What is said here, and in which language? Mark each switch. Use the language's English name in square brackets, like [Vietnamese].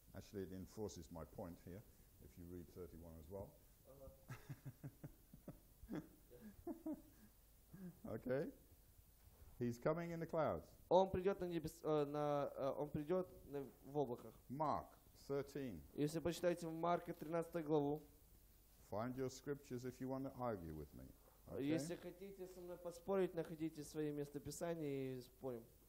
[English] Actually, it enforces my point here, if you read 31 as well. Okay. He's coming in the clouds. [Russian] Он придет на небес, на, он придет на, в облаках. [English] Mark 13. [Russian] Если почитаете Марка 13 главу. [English] Find your scriptures if you want to argue with me. Okay. [Russian] Если хотите со мной поспорить, находите свои местописания и спорим.